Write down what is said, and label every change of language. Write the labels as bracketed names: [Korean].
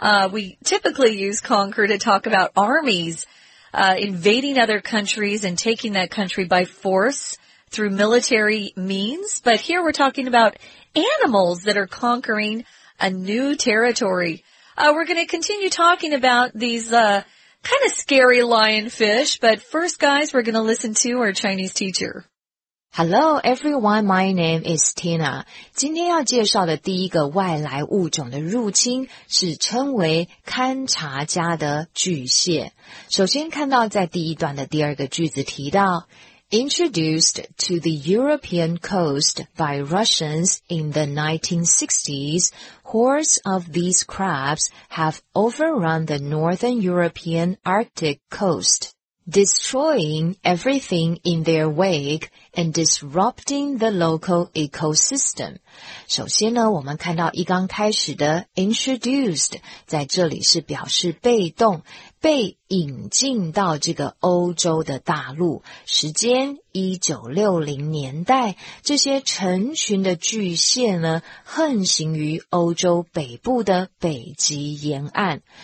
[English] We typically use conquer to talk about armies invading other countries and taking that country by force through military means. But here we're talking about animals that are conquering a new territory. We're going to continue talking about these kind of scary lionfish, but first, guys, we're going to listen to our Chinese teacher. Hello, everyone. My name is Tina. [Chinese] 今天要介绍的第一个外来物种的入侵是称为勘察家的巨蟹。首先看到在第一段的第二个句子提到 [English] Introduced to the European coast by Russians in the 1960s,Hordes of these crabs have overrun the northern European Arctic coast, destroying everything in their wake and disrupting the local ecosystem. [Chinese] 首先呢，我们看到一刚开始的 introduced 在这里是表示被动，被引进到这个欧洲的大陆，时间1960年代，这些成群的巨蟹呢，横行于欧洲北部的北极沿岸。